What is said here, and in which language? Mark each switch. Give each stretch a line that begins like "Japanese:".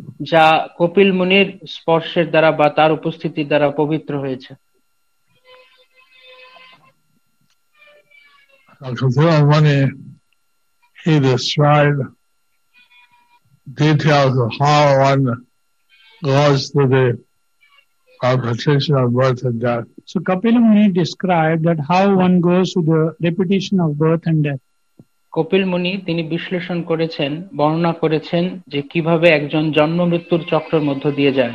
Bangla: যা কপিল মুনির স্পর্শের দ্বারা বা তার উপস্থিতি দ্বারা পবিত্র হয়েছে.
English: Kapila Muni, he described details of how one goes through the repetition of birth and death. So Kapila Muni described that how one goes through the repetition of birth and death.
Bangla: Kapil মুনি তিনি বিশ্লেষণ করেছেন বর্ণনা করেছেন যে কিভাবে একজন জন্ম মৃত্যুর চক্রের মধ্য দিয়ে